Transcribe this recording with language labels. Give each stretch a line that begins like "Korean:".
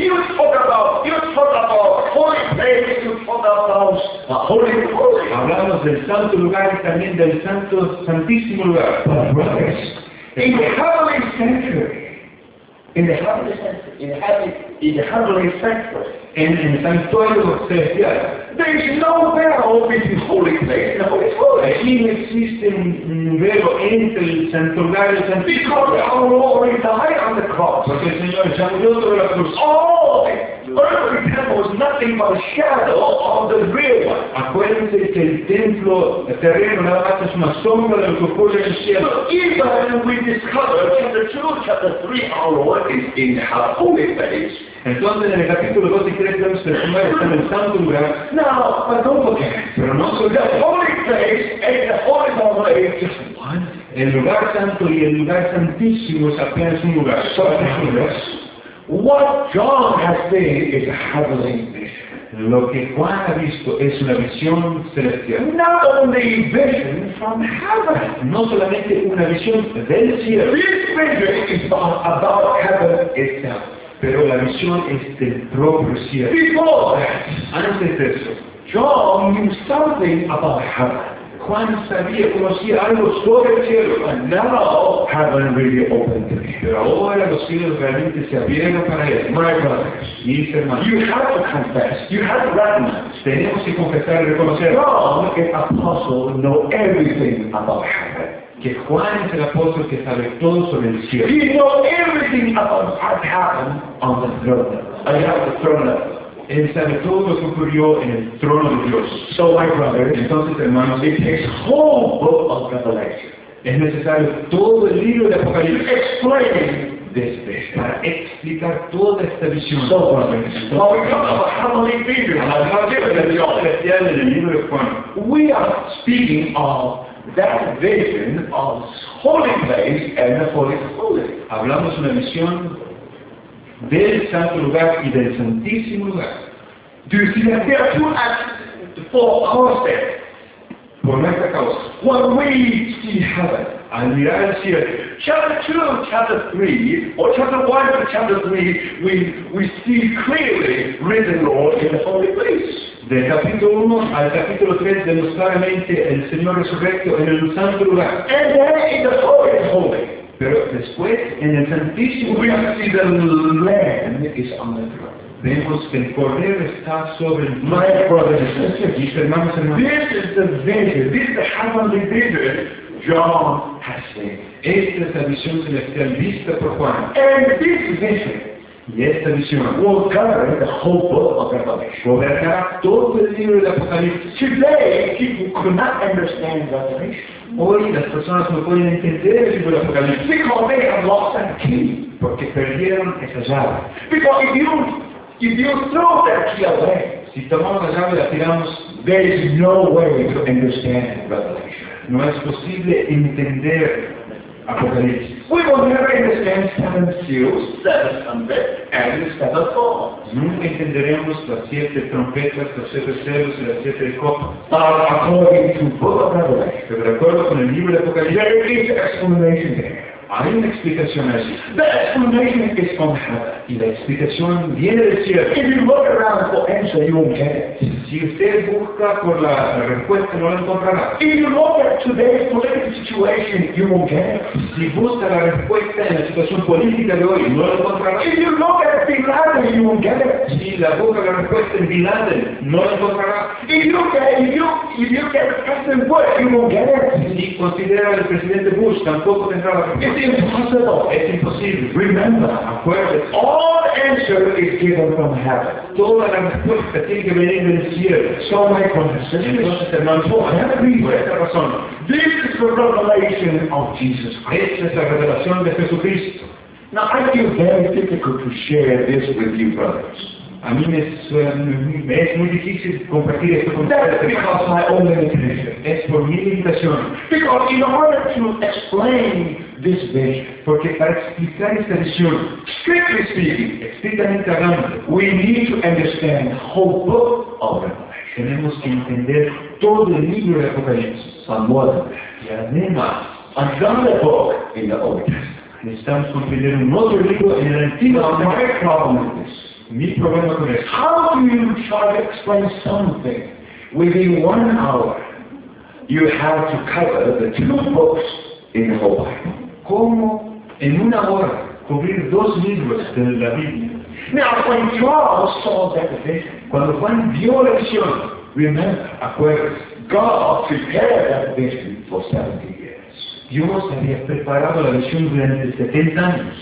English: You talk about holy place, you talk about a holy place.
Spanish: Hablamos del santo lugar y también de el santo, santísimo lugar.
English: But brothers, in the heavenly sanctuary, in the heavenly sanctuary,
Spanish: in el santuario celestial,
English: there is no veil between holy place and holy place.
Spanish: Allí existe un velo entre el santo lugar y el santísimo lugar.
English: Because our Lord died on the cross.
Spanish: Porque el Señor ya murió sobre la cruz.
English: Oh, earthly temple is nothing but a shadow of the real one.
Spanish: Acuérdense que el templo terreno nada más es una sombra de lo que ocurre en el cielo.
English: Even we discover chapter 2, chapter 3, our Lord is in our holy place.
Spanish: Entonces en el capítulo 2 y 3 vemos que el Señor está en el santo lugar.
English: Now, but don't forget.
Spanish: Pero no se olvide.
English: The holy place and the holy place is just one.
Spanish: El lugar santo y el lugar santísimo es apenas un lugar.
English: So, brothers, what John has seen is a heavenly vision.
Spanish: Lo que Juan ha visto es una visión celestial.
English: Not only a vision from heaven.
Spanish: No solamente una visión del cielo.
English: This vision is about heaven itself.
Spanish: Pero la visión es del propio cielo.
English: Before that,
Spanish: antes de eso,
English: John knew something about heaven.
Spanish: Juan sabía, conocía algo sobre el cielo.
English: And now, heaven really opened to me.
Spanish: Pero ahora los cielos realmente se abrieron para él.
English: My brothers,
Spanish: mis hermanos,
English: you have to confess, you have to recognize.
Spanish: Tenemos que confesar y reconocer.
English: John, the apostle, knew everything about heaven.
Spanish: Que Juan es el apóstol que sabe todo sobre el cielo.
English: He knows everything about what happened on the throne. I have the throne.
Spanish: Él sabe todo lo que ocurrió en el trono de Dios.
English: So my brother,
Spanish: entonces hermanos,
English: it takes whole book of Revelation.
Spanish: Es necesario todo el libro de Apocalipsis.
English: Explain this vision.
Spanish: Para explicar toda esta visión.
English: So brothers, now we talk about heavenly vision. And I'm not giving the official in the
Spanish: libro de Juan.
English: We are speaking of that vision of holy place and the holy place.
Spanish: Hablamos una visión del santo lugar y del santísimo lugar.
English: Do you see that there are two actions for our sake?
Spanish: Por nuestra causa.
English: When we see heaven,
Spanish: al mirar el cielo,
English: chapter 2, chapter 3, or chapter 1, or chapter 3, we see clearly risen Lord in the holy place.
Spanish: Del capítulo 1 al capítulo 3 vemos claramente el Señor resurrecto en el santo lugar.
English: And there in the holy of holy.
Spanish: Pero después, en el santísimo lugar,
English: we see the Lamb is on the throne.
Spanish: vemos que el poder está sobre
English: my brothers and sisters,
Spanish: mis hermanos,
English: this is the vision, this is the heavenly vision John has seen.
Spanish: Esta es la visión celestial vista por Juan.
English: And this vision,
Spanish: y esta visión,
English: will cover the whole book of Revelation.
Spanish: Cubrirá todo el libro de Apocalipsis.
English: Today, people could not understand Revelation.
Spanish: Hoy las personas no pueden entender el libro de Apocalipsis.
English: Because they have lost that key.
Spanish: Porque perdieron esa llave.
English: Because if you throw that key away,
Spanish: si tomamos la llave y la tiramos,
English: there is no way to understand Revelation.
Spanish: No es posible entender Apocalipsis.
English: We will never understand seven seals, seven trumpets, and the seven bowls.
Spanish: Nunca entenderemos las siete trompetas, los siete sellos y las siete copas.
English: But according to Book of Revelation,
Spanish: pero acuerdo con el libro de Apocalipsis,
English: there is an explanation there.
Spanish: Hay una explicación allí.
English: The explanation is from heaven.
Spanish: Y la explicación viene del cielo.
English: If you look around for answer, you won't get it.
Spanish: Si usted busca por la respuesta, no la encontrará.
English: If you look at today's political situation, you won't get it.
Spanish: Si busca la respuesta en la situación política de hoy, no la encontrará.
English: If you look at Bin Laden, you won't get it.
Spanish: Si la busca la respuesta en Bin Laden, no la encontrará.
English: If you get President Bush, you won't get it.
Spanish: Si considera el presidente Bush, tampoco tendrá la respuesta.
English: It's impossible. It's impossible. Remember,
Spanish: acuérdate,
English: all answer is given from heaven.
Spanish: Toda la respuesta tiene que venir del cielo.
English: So my confession is, for that reason, this is the revelation of Jesus Christ.
Spanish: Esta es la revelación de Jesucristo.
English: Now, I feel very difficult to share this with you brothers.
Spanish: A mí me es muy difícil compartir esto con ustedes. Es por mi limitación.
English: Because in order to explain this vision,
Spanish: porque para explicar esta visión,
English: strictly speaking,
Spanish: estrictamente hablando,
English: we need to understand the whole book of Revelation.
Spanish: Tenemos que entender todo el libro de Apocalipsis.
English: Samuel.
Spanish: Y además,
English: another book in the Old Testament.
Spanish: Necesitamos comprender un otro libro en el Antiguo Testamento.
English: My problem is this.
Spanish: Mi problema con esto.
English: How do you try to explain something within 1 hour? You have to cover the 2 books in the whole Bible.
Spanish: ¿Cómo en 1 hora cubrir 2 libros de la Biblia?
English: Now, when John saw that vision,
Spanish: cuando Juan vio la visión,
English: remember,
Spanish: acuérdese,
English: God prepared that vision for 70 years.
Spanish: Dios había preparado la visión durante 70 años.